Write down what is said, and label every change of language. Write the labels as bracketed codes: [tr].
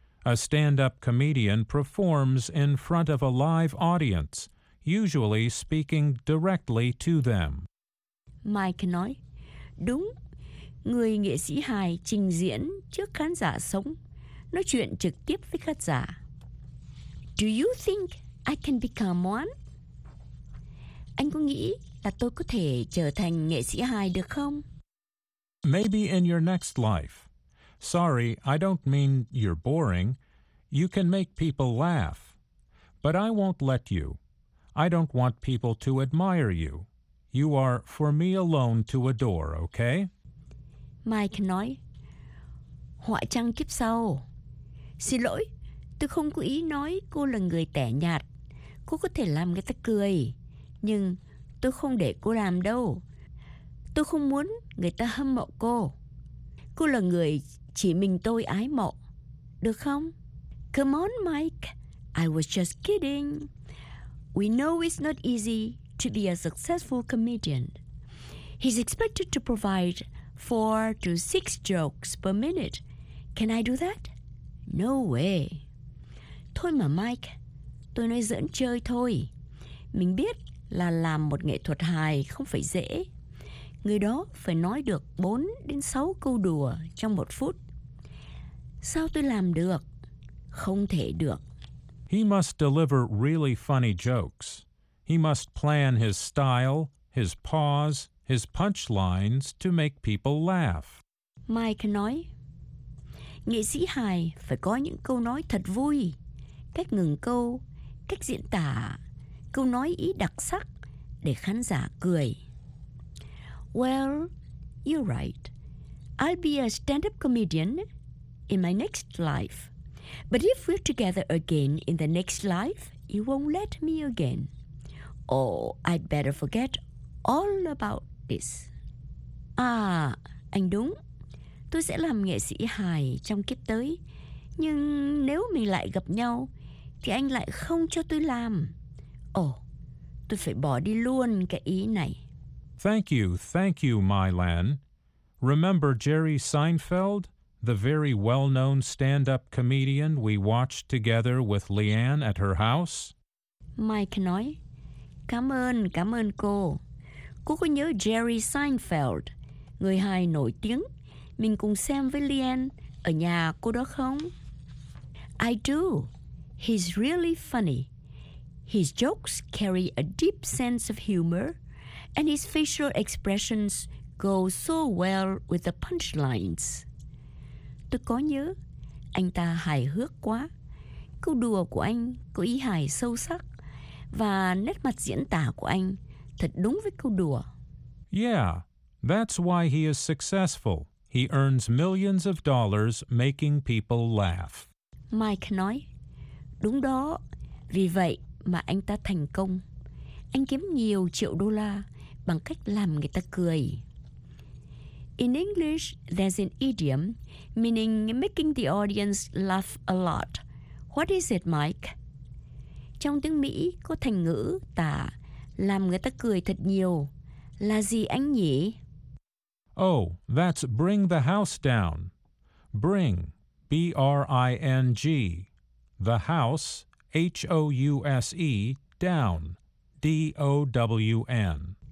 [en] A stand-up comedian performs in front of a live audience, usually speaking directly to them. [vi] Mike nói, đúng, người nghệ sĩ hài trình diễn trước khán giả sống. Nói chuyện trực tiếp với khán giả. [en] Do you think I can become one? [vi] Anh có nghĩ là tôi có thể trở thành nghệ sĩ hài được không? [en] Maybe in your next life. Sorry, I don't mean you're boring. You can make people laugh. But I won't let you. I don't want people to admire you. You are for me alone to adore, okay? [vi] Mike nói, họa trăng kiếp sau. Xin lỗi, tôi không có ý nói cô là người tẻ nhạt. Cô có thể làm người ta cười, nhưng tôi không để cô làm đâu. Tôi không muốn người ta hâm mộ cô. Cô là người chỉ mình tôi ái mộ, được không? [en] Come on, Mike. I was just kidding. We know it's not easy to be a successful comedian. He's expected to provide 4 to 6 jokes per minute. Can I do that? No way. [vi] Thôi mà Mike, tôi nói giỡn chơi thôi. Mình biết là làm một nghệ thuật hài không phải dễ. Người đó phải nói được 4 đến 6 câu đùa trong 1 phút. Sao tôi làm được? Không thể được. [en] He must deliver really funny jokes. He must plan his style, his pause, his punchlines to make people laugh. [vi] Mike nói, nghệ sĩ hài phải có những câu nói thật vui, cách ngừng câu, cách diễn tả, câu nói ý đặc sắc để khán giả cười. [en] Well, you're right. I'll be a stand-up comedian in my next life. But if we're together again in the next life, you won't let me again. Oh, I'd better forget all about this. [vi] Anh đúng. Tôi sẽ làm nghệ sĩ hài trong kiếp tới. Nhưng nếu mình lại gặp nhau, thì anh lại không cho tôi làm. Tôi phải bỏ đi luôn cái ý này. [en] Thank you, Mylan. Remember Jerry Seinfeld, the very well-known stand-up comedian we watched together with Leanne at her house? [vi] Mike nói, cảm ơn cô. Cô có nhớ Jerry Seinfeld, người hài nổi tiếng, mình cùng xem với Lian ở nhà cô đó không? [en] I do. He's really funny. His jokes carry a deep sense of humor, and his facial expressions go so well with the punchlines. [vi] Tôi có nhớ, anh ta hài hước quá. Câu đùa của anh có ý hài sâu sắc, và nét mặt diễn tả của anh thật đúng với câu đùa. [en] Yeah, that's why he is successful. He earns millions of dollars making people laugh. [vi] Mike nói, đúng đó, vì vậy mà anh ta thành công. Anh kiếm nhiều triệu đô la bằng cách làm người ta cười. [en] In English, there's an idiom meaning making the audience laugh a lot. What is it, Mike? [vi] Trong tiếng Mỹ có thành ngữ tả làm người ta cười thật nhiều. Là gì anh nhỉ? [en] Oh, that's bring the house down. Bring, B-R-I-N-G. The house, H-O-U-S-E, down, D-O-W-N.